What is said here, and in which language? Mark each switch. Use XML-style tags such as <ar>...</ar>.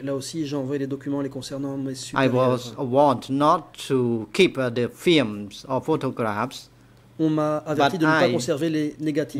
<fr>Là aussi, j'ai envoyé les documents les concernant mes supérieurs.</fr> <en>I was warned not to keep the films or photographs.</en> <fr>On m'a averti de ne pas conserver les négatifs.</fr>